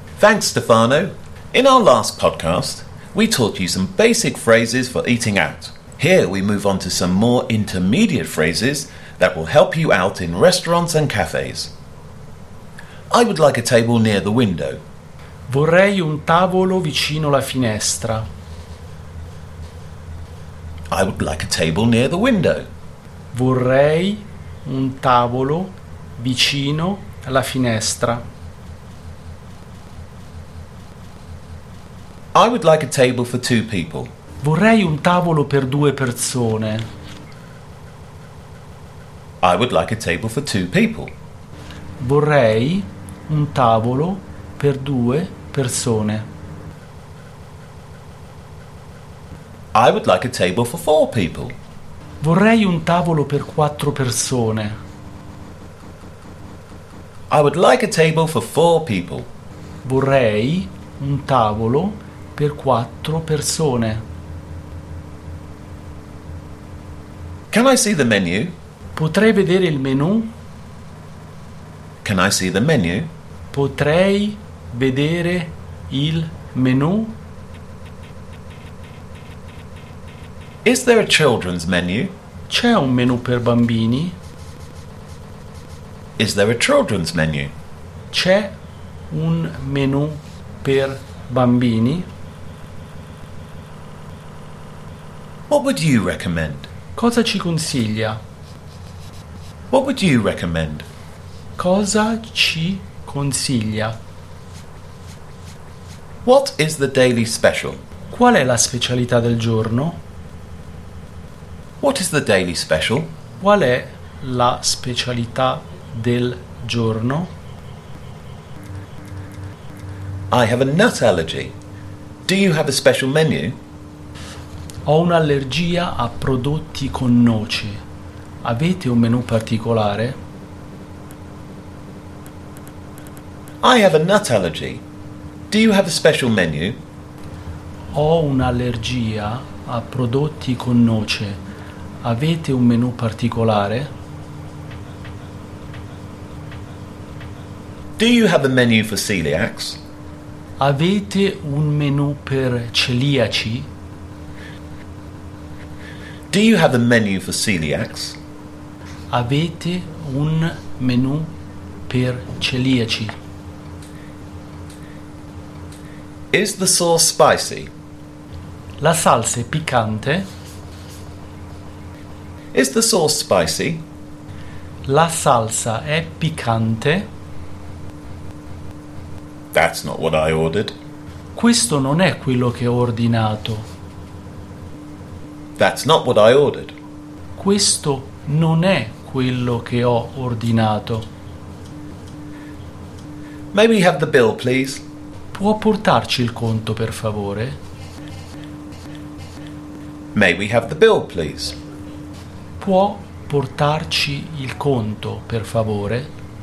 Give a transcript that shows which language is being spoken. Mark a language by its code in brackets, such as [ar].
[en] Thanks, Stefano. In our last podcast, we taught you some basic phrases for eating out. Here we move on to some more intermediate phrases that will help you out in restaurants and cafes. I would like a table near the window. [it] Vorrei un tavolo vicino la finestra. [en] I would like a table near the window. [it] Vorrei un tavolo vicino la finestra. [en] I would like a table for 2 people. [it] Vorrei un tavolo per 2 persone. [en] I would like a table for 2 people. [it] Vorrei un tavolo per 2 persone. [en] I would like a table for 4 people. [it] Vorrei un tavolo per 4 persone. [en] I would like a table for 4 people. [it] Vorrei un tavolo per 4 persone. [en] Can I see the menu? [it] Potrei vedere il menu? [en] Can I see the menu? [it] Potrei vedere il menu? [en] Is there a children's menu? [it] C'è un menu per bambini? [en] Is there a children's menu? [it] C'è un menu per bambini? [en] What would you recommend? [it] Cosa ci consiglia? [en] What would you recommend? [it] Cosa ci consiglia? [en] What is the daily special? [it] Qual è la specialità del giorno? [en] What is the daily special? [it] Qual è la specialità del giorno? [en] I have a nut allergy. Do you have a special menu? [it] Ho un'allergia a prodotti con noce. Avete un menù particolare? [en] I have a nut allergy. Do you have a special menu? [it] Ho un'allergia a prodotti con noce. Avete un menù particolare? [en] Do you have a menu for celiacs? [it] Avete un menù per celiaci? [en] Do you have a menu for celiacs? [it] Avete un menu per celiaci? [en] Is the sauce spicy? [it] La salsa è piccante? [en] Is the sauce spicy? [it] La salsa è piccante? [en] That's not what I ordered. [it] Questo non è quello che ho ordinato. [en] That's not what I ordered. [it] Questo non è quello che ho ordinato. [en] May we have the bill, please? [it] Può portarci il conto, per favore? [en] May we have the bill, please? [it] Può portarci il conto, per favore?